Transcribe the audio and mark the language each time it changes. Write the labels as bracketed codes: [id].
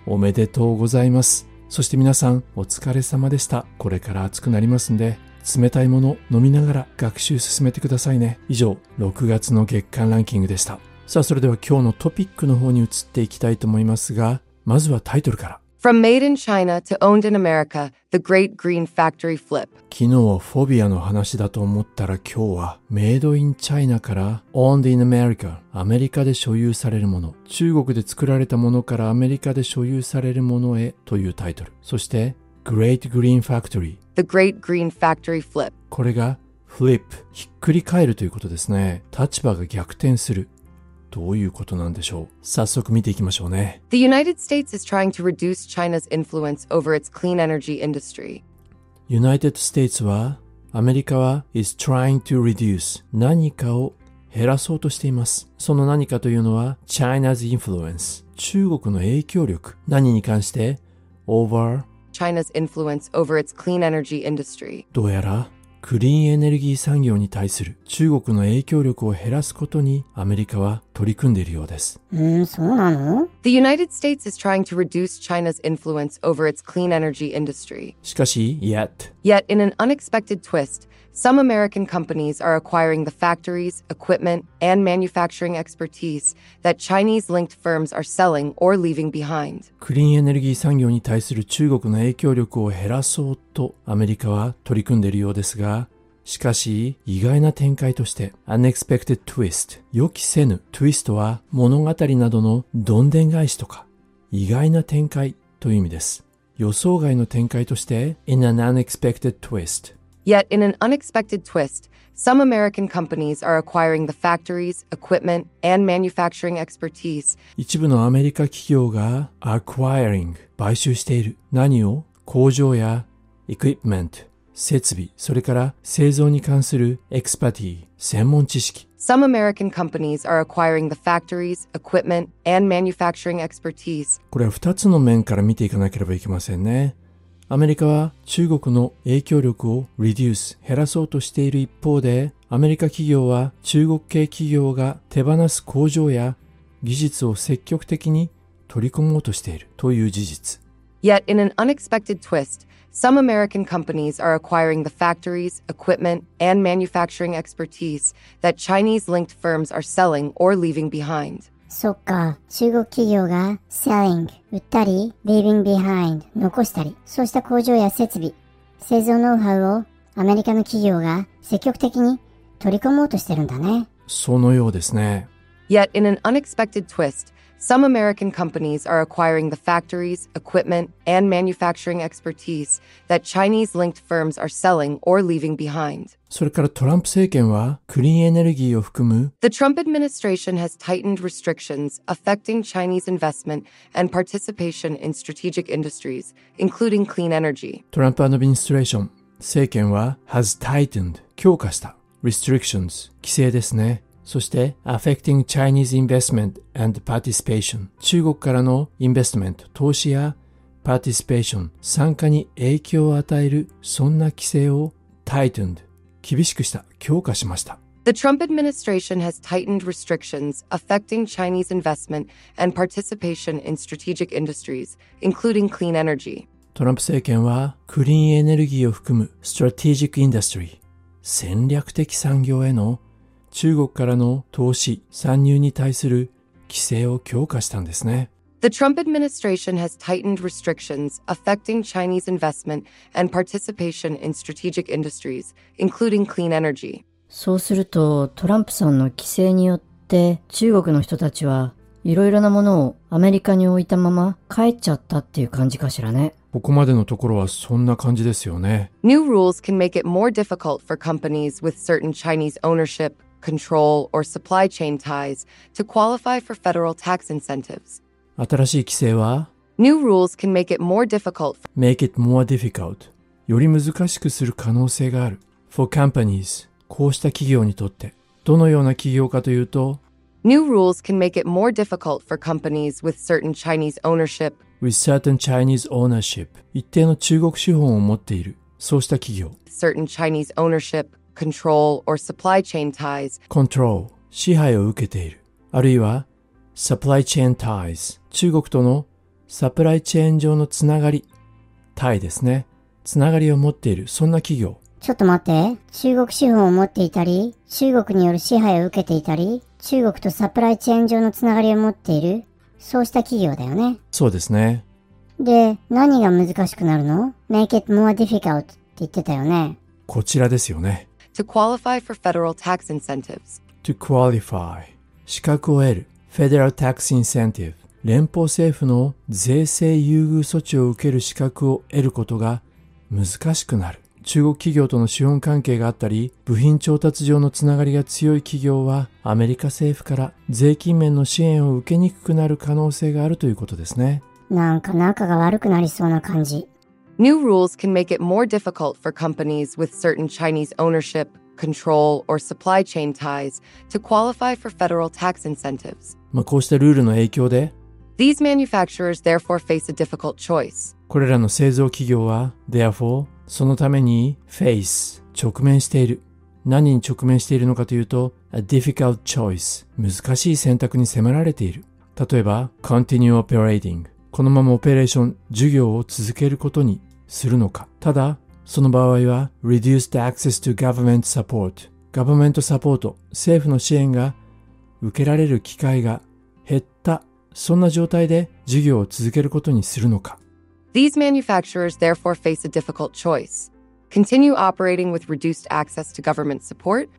[ja] おめでとうございます。そして皆さん、お疲れ様でした。これから暑くなりますんで、冷たいもの飲みながら学習進めてくださいね。以上、6月の月間ランキングでした。さあ、それでは今日のトピックの方に移っていきたいと思いますが、まずはタイトルから。 [en] From made in China to owned in America, the Great Green Factory Flip. [ja] 昨日はフォビアの話だと思ったら今日は [en] Made in China [ja] から [en] Owned in America, [ja] アメリカで所有されるもの、中国で作られたものからアメリカで所有されるものへというタイトル。 [en] そして Great Green Factory. The Great Green Factory Flip. [ja] これが Flip, ひっくり返るということですね。立場が逆転する。どういうことなんでしょう。早速見ていきましょうね。 [en] The United States is trying to reduce China's influence over its clean energy industry. [ja] United States は、アメリカは [en] is trying to reduce [ja] 何かを減らそうとしています。その何かというのは [en] China's influence [ja] 中国の影響力。何に関して over [en] China's influence over its clean energy industry. [ja] どうやらクリーンエネルギー産業に対する中国の影響力を減らすことにアメリカは取り組んでいるようです。そうなの？ [en] The United States is trying to reduce China's influence over its clean energy industry. [ja] しかし、yet. [en] Yet in an unexpected twist, some American companies are acquiring the factories, equipment, and manufacturing expertise that Chinese-linked firms are selling or leaving behind. [ja] クリーンエネルギー産業に対する中国の影響力を減らそうとアメリカは取り組んでいるようですが、しかし、意外な展開として、 [en] unexpected twist、 [ja] 予期せぬ、twist は、物語などのどんでん返しとか、意外な展開という意味です。予想外の展開として、 [en] in an unexpected twist。 Yet, in an unexpected twist, some American companies are acquiring the factories, equipment, and manufacturing expertise. [ja] 一部のアメリカ企業が、acquiring、買収している。何を？工場や、equipment。設備、それから製造に関するエクスパティ、専門知識。 [en] Some American companies are acquiring the factories, equipment, and manufacturing expertise. [ja] これは2つの面から見ていかなければいけませんね。アメリカは中国の影響力をリデュース、減らそうとしている一方で、アメリカ企業は中国系企業が手放す工場や技術を積極的に取り込もうとしているという事実。 [en] Yet in an unexpected twist, some American companies are acquiring the factories, equipment, and manufacturing expertise that Chinese-linked firms are selling or leaving behind. [ja] そっか、中国企業が selling、売ったり、 [en] leaving behind、 [ja] 残したり、そうした工場や設備、製造ノウハウをアメリカの企業が積極的に取り込もうとしてるんだね。そのようですね。 [en] Yet in an unexpected twist, some American companies are acquiring the factories, equipment, and manufacturing expertise that Chinese-linked firms are selling or leaving behind. [ja] それからトランプ政権はクリーンエネルギーを含む [en] The Trump administration has tightened restrictions affecting Chinese investment and participation in strategic industries, including clean energy. [ja] トランプ administration 政権は [en] has tightened [ja] 強化した restrictions 規制ですね。そして [en] affecting Chinese investment and participation [ja] 中国からの investment 投資や participation 参加に影響を与えるそんな規制を tightened 厳しくした強化しました。 [en] The Trump administration has tightened restrictions affecting Chinese investment and participation in strategic industries, including clean energy. [ja] トランプ政権はクリーンエネルギーを含む strategic industry 戦略的産業への中国からの投資参入に対する規制を強化したんですね。 [en] The Trump administration has tightened restrictions affecting Chinese investment and participation in strategic industries, including clean energy. [ja] そうすると、トランプさんの規制によって中国の人たちはいろいろなものをアメリカに置いたまま帰っちゃったっていう感じかしらね。ここまでのところはそんな感じですよね。 [en] New rules can make it more difficult for companies with certain Chinese ownership, control, or supply chain ties to qualify for federal tax incentives. [ja] 新しい規制は [en] New rules can make it more difficult for make it more difficult [ja] より難しくする可能性がある。 For companies こうした企業にとってどのような企業かというと [en] New rules can make it more difficult for companies with certain Chinese ownership. With certain Chinese ownership. [ja] 一定の中国資本を持っている。そうした企業。 [en] Certain Chinese ownership, control, or supply chain ties. [ja] Control. 支配を受けている。 [en] あるいは、supply chain ties. [ja] 中国とのサプライチェーン上のつながり。 ties ですね。つながりを持っている。そんな企業。ちょっと待って。中国資本を持っていたり、中国による支配を受けていたり、中国とサプライチェーン上のつながりを持っている、そうした企業だよね。そうですね。で、何が難しくなるの ? [en] Make it more difficult [ja] って言ってたよね。こちらですよね。 [en] To qualify for federal tax incentives. To qualify. [ja] 資格を得る。 [en] Federal tax incentive. [ja] 連邦政府の税制優遇措置を受ける資格を得ることが難しくなる。中国企業との資本関係があったり、部品調達上のつながりが強い企業は、アメリカ政府から税金面の支援を受けにくくなる可能性があるということですね。なんか仲が悪くなりそうな感じ。 New rules can make it more difficult for companies with certain Chinese ownership, control, or supply chain ties to qualify for federal tax incentives. まあこうしたルールの影響で、 [en] These manufacturers therefore face a difficult choice. [ja] これらの製造企業は、therefore、そのために face 直面している。何に直面しているのかというと [en] a difficult choice [ja] 難しい選択に迫られている。例えば [en] continue operating [ja] このままオペレーション授業を続けることにするのか。ただその場合は [en] reduced access to government support [ja] government support 政府の支援が受けられる機会が減ったそんな状態で授業を続けることにするのか。 [en] These manufacturers therefore face a difficult choice. Continue operating with reduced access to government support.